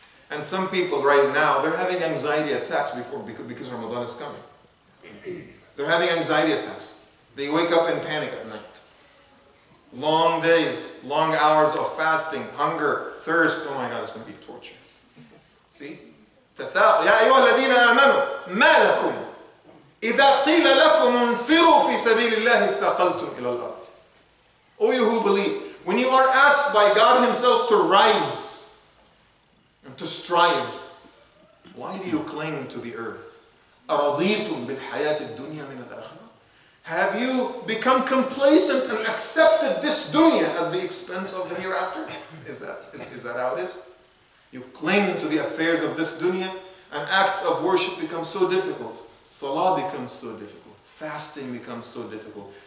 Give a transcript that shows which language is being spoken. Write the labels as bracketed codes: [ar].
[en] And some people right now, they're having anxiety attacks because Ramadan is coming. They're having anxiety attacks. They wake up in panic at night. Long days, long hours of fasting, hunger, thirst, oh my God, it's going to be torture. See? [ar] يا أيها الذين آمنوا ما لكم إذا قيل لكم انفروا في سبيل الله اثقلتم إلى الأرض. [en] O you who believe, when you are asked by God Himself to rise and to strive, why do you cling to the earth? [ar] أرضيتم بالحياة الدنيا من الآخرة. [en] Have you become complacent and accepted this dunya at the expense of the hereafter? Is that how it is? You cling to the affairs of this dunya, and acts of worship become so difficult. Salah becomes so difficult. Fasting becomes so difficult.